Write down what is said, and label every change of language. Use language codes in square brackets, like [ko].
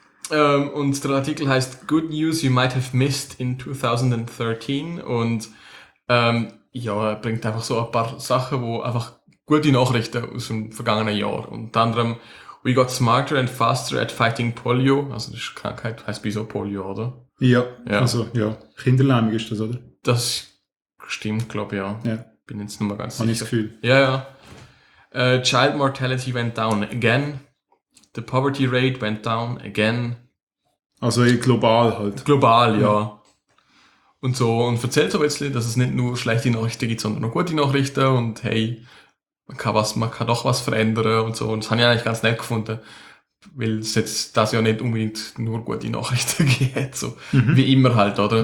[de] und der Artikel heißt [en] Good News You Might Have Missed in 2013 [de] und ja, er bringt einfach so ein paar Sachen, wo einfach gute Nachrichten aus dem vergangenen Jahr. Unter anderem [en] We got smarter and faster at fighting polio. [de] Also das ist Krankheit, heißt wieso Polio, oder? Ja, also ja. Kinderlähmung ist das, oder? Das stimmt, glaube ich, ja. Ja. Bin jetzt nicht mehr ganz sicher. Habe ich das Gefühl. Ja, ja. [en] Child mortality went down again. The poverty rate went down again. [de] Also global halt. Global, ja. Ja. Und so, und erzählt so ein bisschen, dass es nicht nur schlechte Nachrichten gibt, sondern auch gute Nachrichten und hey, man kann doch was verändern und so. Und das habe ich eigentlich ganz nett gefunden, weil es jetzt das ja nicht unbedingt nur gute Nachrichten geht, so wie immer halt, oder?